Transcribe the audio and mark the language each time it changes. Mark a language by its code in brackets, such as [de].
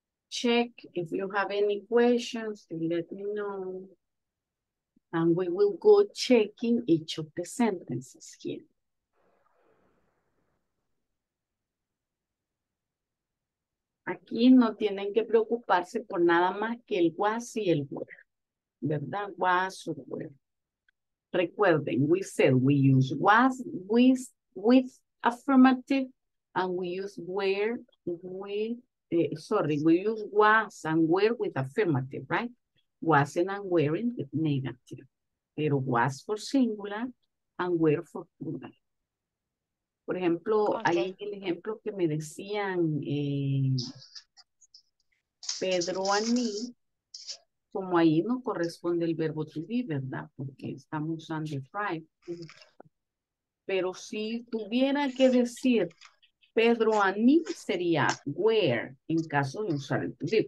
[en] Check if you have any questions, let me know. And we will go checking each of the sentences here. [es] Aquí no tienen que preocuparse por nada más que el was y el were. [en] ¿Verdad? Was or were. Recuerden, we said we use was with affirmative. And we use where with, we use was and were with affirmative, right? Wasn't and weren't with negative. Pero was for singular and were for plural. [es] Por ejemplo, okay. Ahí el ejemplo que me decían Pedro a mí, como ahí no corresponde el verbo to be, ¿verdad? Porque estamos usando el drive. Pero si tuviera que decir Pedro a mí sería where en caso de usar el to be.